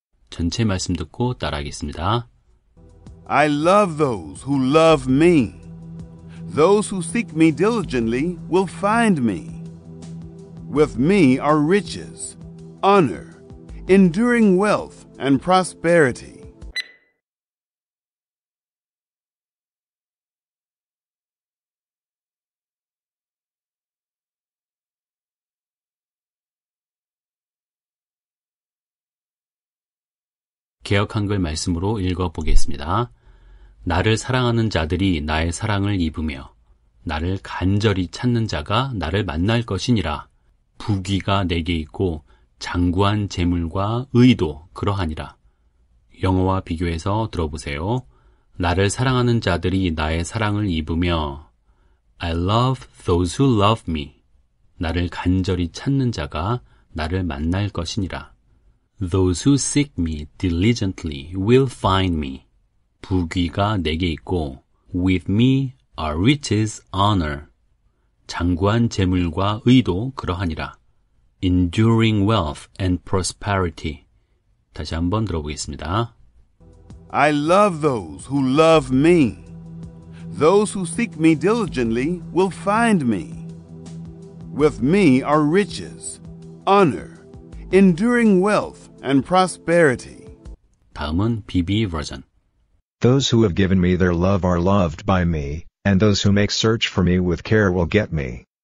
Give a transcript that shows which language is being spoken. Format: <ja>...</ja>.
<ko>전체 말씀 듣고 따라하겠습니다.</ko> <en>I love those who love me. Those who seek me diligently will find me. With me are riches, honor, enduring wealth, and prosperity.</en> <ko>Geok Hangul 말씀으로 읽어보겠습니다. 나를 사랑하는 자들이 나의 사랑을 입으며 나를 간절히 찾는 자가 나를 만날 것이니라. 부귀가 내게 있고 장구한 재물과 의도 그러하니라. 영어와 비교해서 들어보세요. 나를 사랑하는 자들이 나의 사랑을 입으며</ko> <en>I love those who love me.</en> <ko>나를 간절히 찾는 자가 나를 만날 것이니라.</ko> <en>Those who seek me diligently will find me.</en> <ko>부귀가 내게 있고</ko> <en>with me are riches, honor.</en> <ko>장구한 재물과 의도 그러하니라.</ko> <en>Enduring wealth and prosperity.</en> <ko>다시 한번 들어보겠습니다.</ko> <en>I love those who love me. Those who seek me diligently will find me. With me are riches, honor, enduring wealth, and prosperity.</en> <ko>다음은 BB 버전.</ko> <en>Those who have given me their love are loved by me, and those who make search for me with care will get me.</en>